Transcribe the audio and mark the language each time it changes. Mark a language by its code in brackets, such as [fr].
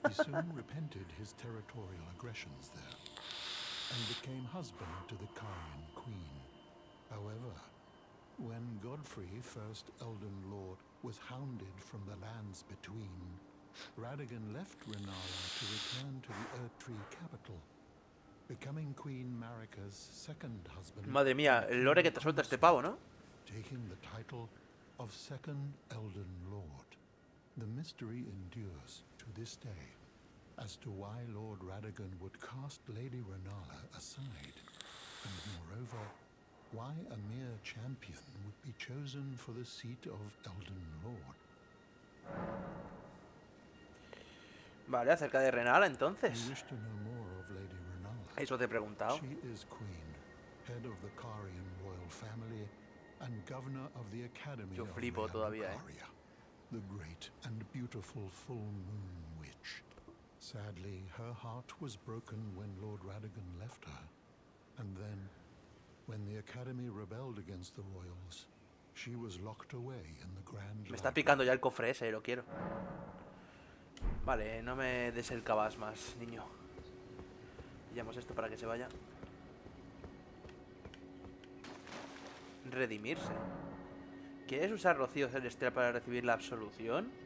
[en] He soon repented his territorial aggressions there, and became husband to the Carian queen. However, when Godfrey, first Elden Lord, was hounded from the lands between, Radigan left Renala to return to the Earth Tree capital, becoming Queen Marika's second husband. [es] Madre mía, el lore que te suelta este pavo, ¿no? [en] Taking the title of second Elden Lord. The mystery endures to this day as to why Lord Radigan would cast Lady Renala aside, and moreover, why a mere champion would be chosen for the seat of Elden Lord. [es] Vale, acerca de Renala, entonces. [en] You wish to know more of Lady Renala. [es] Eso te he preguntado. [en] She is queen, head of the Carian royal family, and governor of the Academy of Lucaria. The great and beautiful Full Moon Witch. Sadly, her heart was broken when Lord Radigan left her. And then, when the Academy rebelled against the royals, she was locked away in the Grand [es] Me está picando ya el cofre ese, lo quiero. Vale, no me des el cabas más, niño. Pillamos esto para que se vaya. Redimirse. ¿Quieres usar Rocío Celestial para recibir la absolución?